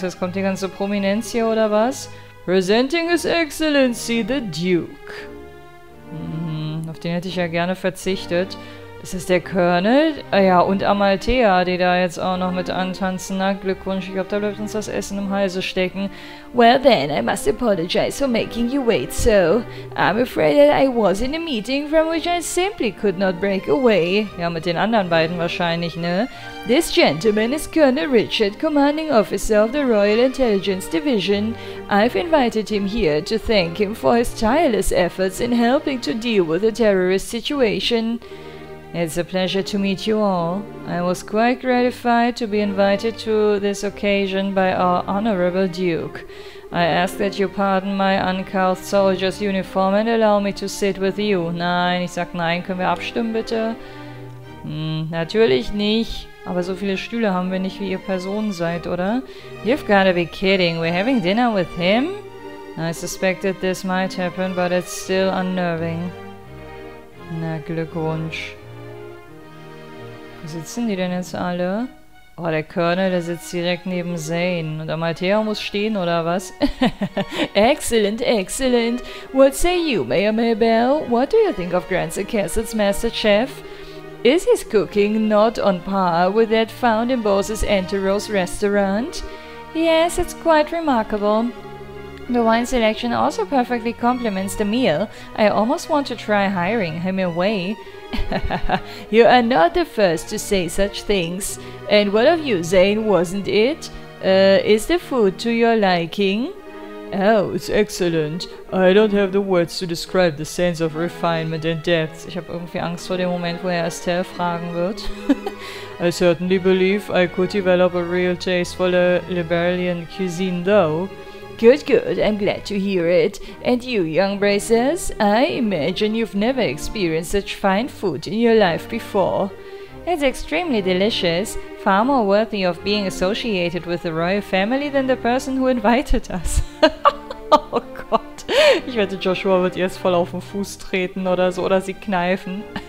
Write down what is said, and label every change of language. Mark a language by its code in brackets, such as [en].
[de] Jetzt kommt die ganze Prominenz hier, oder was? [en] Presenting His Excellency the Duke. [de] Auf den hätte ich ja gerne verzichtet. Ist das der Colonel? Ah ja, und Amalthea, die da jetzt auch noch mit antanzen. Na, Glückwunsch, ich glaube, da bleibt uns das Essen im Halse stecken. [en] Well then, I must apologize for making you wait so. I'm afraid that I was in a meeting from which I simply could not break away. [de] Ja, mit den anderen beiden wahrscheinlich, ne? [en] This gentleman is Colonel Richard, commanding officer of the Royal Intelligence Division. I've invited him here to thank him for his tireless efforts in helping to deal with the terrorist situation. It's a pleasure to meet you all. I was quite gratified to be invited to this occasion by our Honorable Duke. I ask that you pardon my uncouth soldier's uniform and allow me to sit with you. [de] Nein, ich sag nein. Können wir abstimmen, bitte? Natürlich nicht. Aber so viele Stühle haben wir nicht, wie ihr Personen seid, oder? [en] You've gotta be kidding. We're having dinner with him? I suspected this might happen, but it's still unnerving. [de] Na, Glückwunsch. Wo sitzen die denn jetzt alle? Oh, der Colonel, der sitzt direkt neben Zane. Und Amalthea muss stehen, oder was? [en] Excellent, excellent. What say you, Mayor Maybell? What do you think of Grandsir Castle's Master Chef? Is his cooking not on par with that found in Bose's Antero's restaurant? Yes, it's quite remarkable. The wine selection also perfectly complements the meal. I almost want to try hiring him away. You are not the first to say such things. And what of you, Zane, wasn't it? Is the food to your liking? Oh, it's excellent. I don't have the words to describe the sense of refinement and depth. [de] Ich habe irgendwie Angst vor dem Moment, wo Estelle fragen wird. [en] I certainly believe I could develop a real taste for the Liberian cuisine, though. Good, good. I'm glad to hear it. And you, young Braces, I imagine you've never experienced such fine food in your life before. It's extremely delicious. Far more worthy of being associated with the royal family than the person who invited us. [de] Oh Gott. Ich wette, Joshua wird jetzt voll auf den Fuß treten oder so, oder sie kneifen.